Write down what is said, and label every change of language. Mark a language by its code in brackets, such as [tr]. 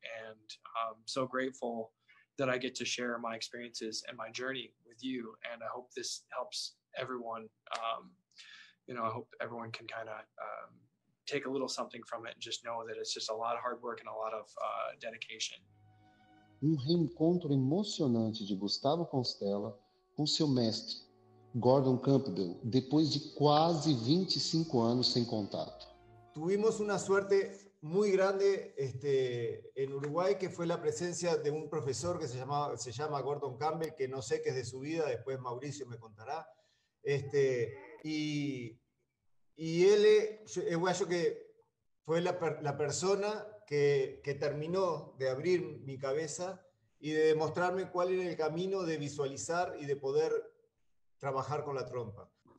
[en] And I'm so grateful that I get to share my experiences and my journey with you. And I hope this helps everyone. I hope everyone can kind of take a little something from it and just know that it's just a lot of hard work and a lot of dedication. [pt] Um reencontro emocionante de Gustavo Constella com seu mestre, Gordon Campbell, depois de quase 25 anos sem contato. [es] Tuvimos [pt] uma [es] suerte [pt] muito grande em Uruguai, que foi a presença de um professor que se chama Gordon Campbell, que não sei que é de sua vida, depois Maurício me contará. E ele, eu acho que foi a pessoa que [es] terminó de abrir mi cabeza y de demostrarme cuál era el camino de visualizar y de poder trabajar con la trompa.